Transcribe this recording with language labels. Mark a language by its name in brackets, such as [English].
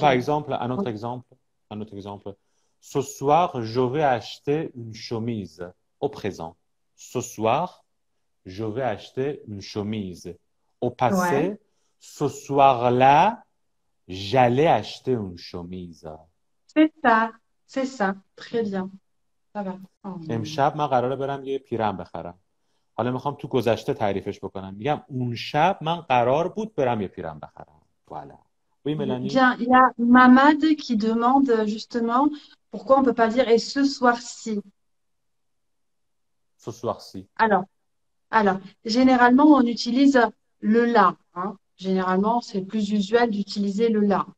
[French] par exemple, un autre exemple. Ce soir, je vais acheter une chemise au présent. Ce soir, je vais acheter une chemise au Ouais. passé. Ce soir-là, j'allais acheter une chemise. C'est ça, très bien. Ça va. Oh. [Persian] امشب من قراره برم یه پیرهن بخرم. حالا میخوام تو گذشته تعریفش بکنم. میگم اون شب من قرار بود برم یه پیرهن بخرم. [French] Voilà. Oui, Mélanie? Bien, il y a Mamad qui demande justement pourquoi on ne peut pas dire et ce soir-ci. Ce soir-ci. Alors, généralement, on utilise le là. Hein. Généralement, c'est plus usuel d'utiliser le là.